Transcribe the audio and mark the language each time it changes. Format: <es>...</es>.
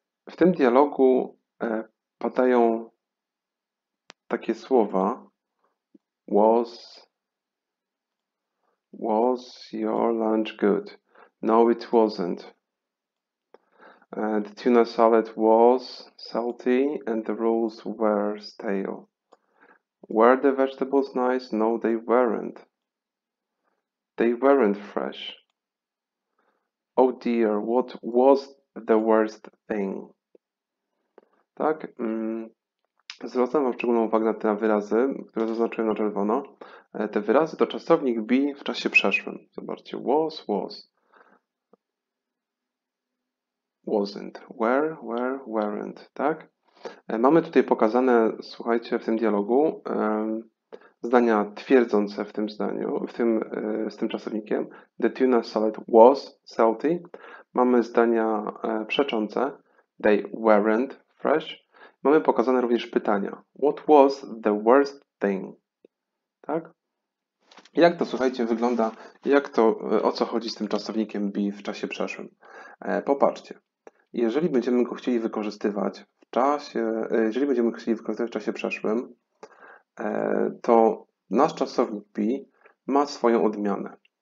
<pl>W tym dialogu padają takie słowa:</pl> <en>was your lunch good? No, it wasn't. The tuna salad was salty and the rolls were stale. Were the vegetables nice? No, they weren't. They weren't fresh. Oh dear, what was the worst thing?</en> <pl>Tak? Zwracam Wam szczególną uwagę na te wyrazy, które zaznaczyłem na czerwono. Te wyrazy to czasownik be w czasie przeszłym. Zobaczcie, was. Wasn't, were, weren't, tak? Mamy tutaj pokazane, słuchajcie, w tym dialogu zdania twierdzące w tym zdaniu, z tym czasownikiem.</pl> <en>The tuna salad was salty.</en> <pl>Mamy zdania przeczące.</pl> <en>They weren't fresh.</en> <pl>Mamy pokazane również pytania.</pl> <en>What was the worst thing?</en> <pl>Tak? Jak to, słuchajcie, wygląda? Jak to, o co chodzi z tym czasownikiem be w czasie przeszłym? Popatrzcie. Jeżeli będziemy go chcieli wykorzystywać w czasie, jeżeli będziemy chcieli wykorzystywać w czasie przeszłym, to nasz czasownik be ma swoją odmianę.</pl>